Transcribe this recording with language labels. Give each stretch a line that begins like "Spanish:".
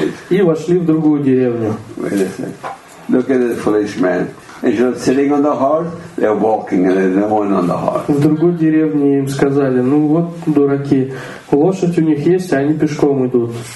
Russian: И вошли в другую деревню.
English: Look at this foolish man. Instead of sitting on the horse, they're walking and they're going on the horse.
Russian: В другой деревне им сказали, ну вот дураки, лошадь у них есть, а они пешком идут.